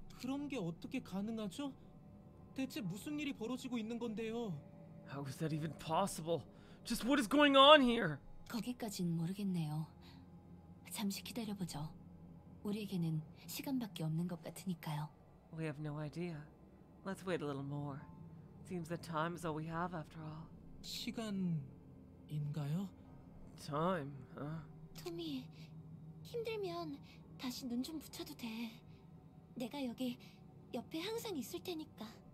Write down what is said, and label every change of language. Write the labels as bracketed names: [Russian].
[Korean] 그런 게 어떻게 가능하죠? 대체 무슨 일이 벌어지고 있는 건데요? [English] How is that even possible? Just what is going on here? [Korean] 거기까진 모르겠네요. 잠시 기다려보죠. 우리에게는 시간밖에 없는 것 같으니까요. [English] We have no idea. Let's wait a little more. Seems that time is all we have after all. [Korean] 시간인가요? [English] Time, huh? [Korean] 토미, 힘들면 다시 눈 좀 붙여도 돼. 내가 여기 옆에 항상 있을 테니까.